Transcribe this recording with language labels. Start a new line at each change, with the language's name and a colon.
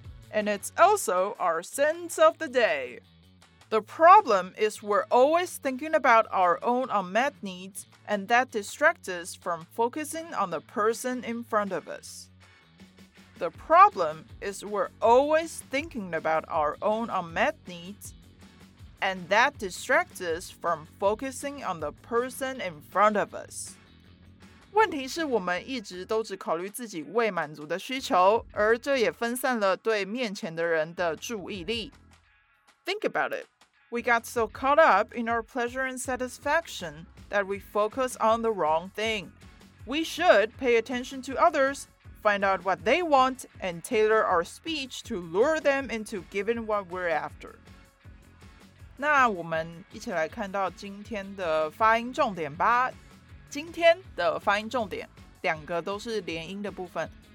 English: And it's also our sentence of the day. The problem is we're always thinking about our own unmet needs, and that distracts us from focusing on the person in front of us. The problem is we're always thinking about our own unmet needs, and that distracts us from focusing on the person in front of us.
Chinese: 问题是我们一直都只考虑自己未满足的需求，而这也分散了对面前的人的注意力。
English: Think about it. We got so caught up in our pleasure and satisfaction that we focus on the wrong thing. We should pay attention to others,find out what they want, and tailor our speech to lure them into giving what we're after.
Chinese: 那我们一起来看到今天的发音重点吧。今天的发音重点，两个都是连音的部分。